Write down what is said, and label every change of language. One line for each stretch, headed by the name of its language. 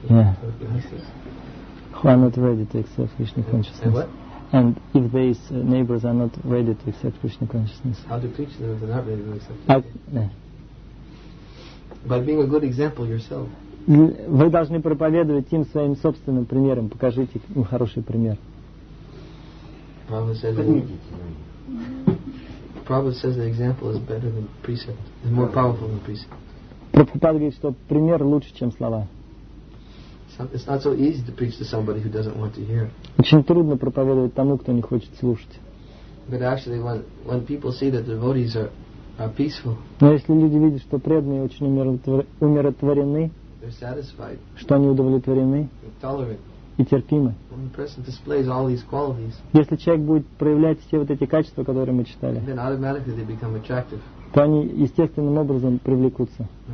English: Yeah. Who are not ready to accept Krishna consciousness? And if these neighbors are not ready to accept Krishna consciousness? How do Krishna neighbors not ready to accept? By being a good example yourself.
Russian: Вы должны проповедовать им своим собственным примером. Покажите им хороший пример.
English: Prabhupada says the example is better than precept. It's more powerful than precept.
Russian: Prabhupada говорит, что пример лучше, чем слова.
English: It's not so easy to preach to somebody who doesn't want to hear.
Russian: Очень трудно проповедовать тому, кто не хочет слушать.
English: But actually, when people see that devotees are peaceful.
Russian: Но если люди видят, что преданные очень умиротворены,
English: they're satisfied.
Russian: Что они удовлетворены?
English: Tolerant.
Russian: И терпимы. Если человек будет проявлять все вот эти качества, которые мы читали, то они естественным образом привлекутся.